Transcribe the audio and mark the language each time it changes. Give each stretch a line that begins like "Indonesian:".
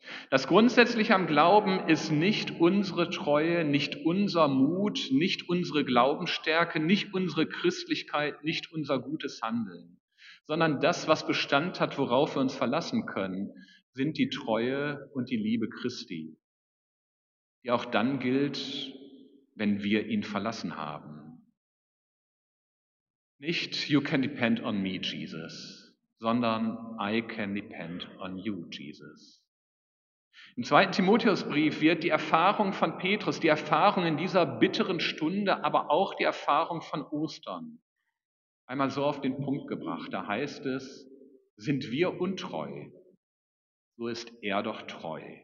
German: Das Grundsätzliche am Glauben ist nicht unsere Treue, nicht unser Mut, nicht unsere Glaubensstärke, nicht unsere Christlichkeit, nicht unser gutes Handeln, sondern das, was Bestand hat, worauf wir uns verlassen können, sind die Treue und die Liebe Christi, die auch dann gilt, wenn wir ihn verlassen haben. Nicht
English: "you can depend on me, Jesus",
German: sondern
English: "I can depend on you, Jesus".
German: Im 2. Timotheusbrief wird die Erfahrung von Petrus, die Erfahrung in dieser bitteren Stunde, aber auch die Erfahrung von Ostern einmal so auf den Punkt gebracht. Da heißt es, sind wir untreu, so ist er doch treu.